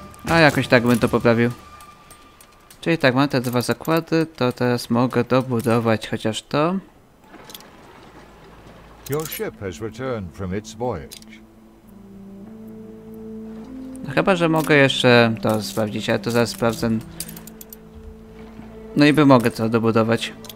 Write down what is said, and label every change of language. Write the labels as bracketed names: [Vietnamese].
[Polish] A jakoś tak bym to poprawił. Czyli tak, mam te dwa zakłady, to teraz mogę dobudować chociaż to. [English] Your ship has returned from its voyage. [Polish] Chyba, że mogę jeszcze to sprawdzić, ale to zaraz sprawdzę. No i by mogę to dobudować.